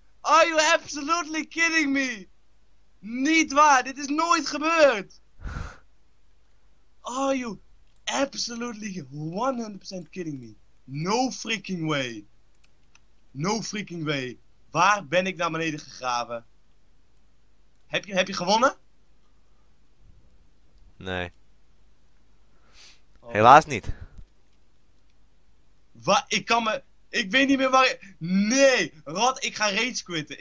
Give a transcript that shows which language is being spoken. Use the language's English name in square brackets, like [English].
[English] Are you absolutely kidding me? [Dutch] Niet waar, dit is nooit gebeurd! [English] Are you absolutely 100% kidding me? No freaking way! No freaking way. [Dutch] Waar ben ik naar beneden gegraven? Heb je gewonnen? Nee. Helaas niet. Wat? Ik kan me... Ik weet niet meer waar ik... Nee! Rod, ik ga rage quitten.